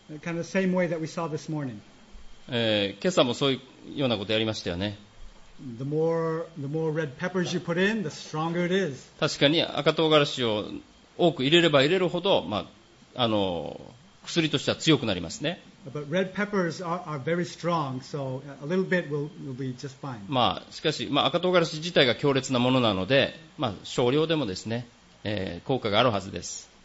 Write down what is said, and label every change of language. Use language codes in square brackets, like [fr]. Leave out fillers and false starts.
[en] Kind of the same way that we saw this morning. [ja] 今朝もそういうようなことやりましたよね。 [en] The more red peppers you put in, the stronger it is. [ja] 確かに赤唐辛子を多く入れれば入れるほど、まあ、あの薬としては強くなりますね。 [en] But red peppers are very strong, so a little bit will be just fine. [ja] まあしかし、まあ赤唐辛子自体が強烈なものなので、まあ少量でもですね、効果があるはずです。